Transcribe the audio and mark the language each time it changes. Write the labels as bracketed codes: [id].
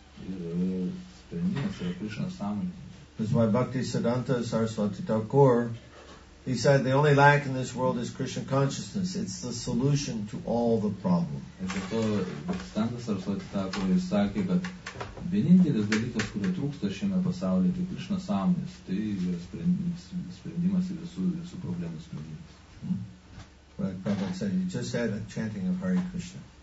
[lt] Sprendimas yra Krishna sąmonė. [en] That's why Bhakti Siddhanta Saraswati Thakur, he said the only lack in this world is Krishna consciousness. It's the solution to all the problems. [lt] Ir dėl to Siddhanta Saraswati Thakur sakė, kad vienintelis dalykas, kurio trūksta šiame pasaulyje, tai Krishna sąmonės. Tai yra sprendimas ir visų problemų sprendimas. [en] Right, Prabhupada said, you just had a chanting of Hare Krishna.